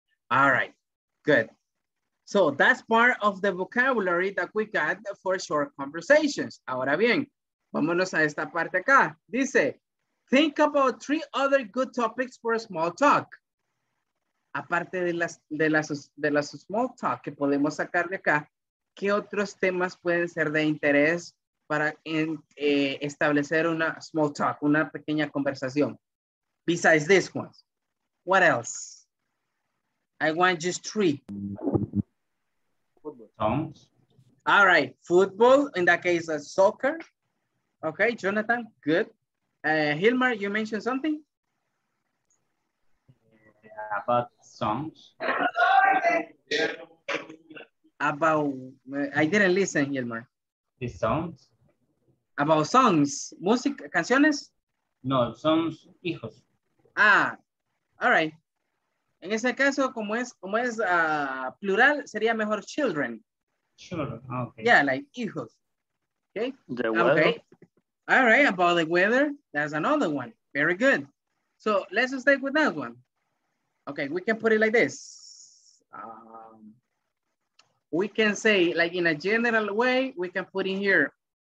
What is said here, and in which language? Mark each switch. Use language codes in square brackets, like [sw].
[en] All right, good. So that's part of the vocabulary that we got for short conversations. [es] Ahora bien, vámonos a esta parte acá. Dice, [en] think about three other good topics for a small talk. [es] aparte de las small talk que podemos sacar de acá, ¿qué otros temas pueden ser de interés para establecer una small talk, una pequeña conversación? [en] Besides this one, what else? I want just three. Football. Tongues. All right, football, in that case, soccer. Okay, Jonathan, good. Hilmar, you mentioned something? About songs. About, I didn't listen, Hilmar. The songs? About songs, music, canciones? No, songs, hijos. Ah, all right. [es] En ese caso, como es plural, sería mejor children. [en] Children, okay. Yeah, like hijos. Okay. The weather. Okay. All right, about the weather, that's another one. Very good. So let's stay with that one. Okay, we can put it like this. We can say, like in a general way, we can put in here.